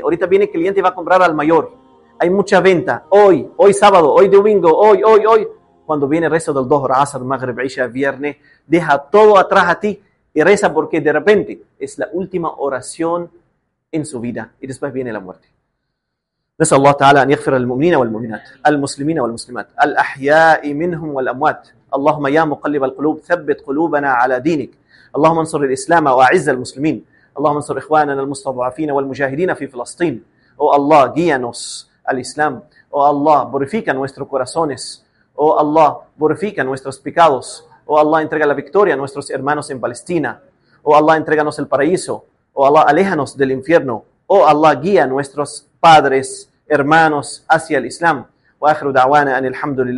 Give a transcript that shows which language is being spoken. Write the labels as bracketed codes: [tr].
[es] Ahorita viene el cliente y va a comprar al mayor. Hay mucha venta, hoy sábado, hoy domingo, hoy. Cuando viene el rezo del Dhuhr, Asr, Maghrib, Isha, viernes, deja todo atrás a ti y reza porque de repente es la última oración en su vida y después viene la muerte. [ar] نسأل الله تعالى أن يغفر للمؤمنين والمؤمنات المسلمين والمسلمات الأحياء منهم والأموات. اللهم يا مقلب القلوب ثبت قلوبنا على دينك. اللهم انصر الإسلام وأعز المسلمين. اللهم انصر إخواننا المستضعفين والمجاهدين في فلسطين. او الله [es] guíanos al Islam. او الله purifica nuestros corazones. [ar] او الله [es] purifica nuestros pecados. او الله entrega la victoria a nuestros hermanos en Palestina. [ar] او الله [es] entreganos el paraíso. او الله aléjanos del infierno. [ar] او الله [es] guía nuestros padres, hermanos, hacia el Islam. [ar] وآخر دعوانا أن الحمد لله.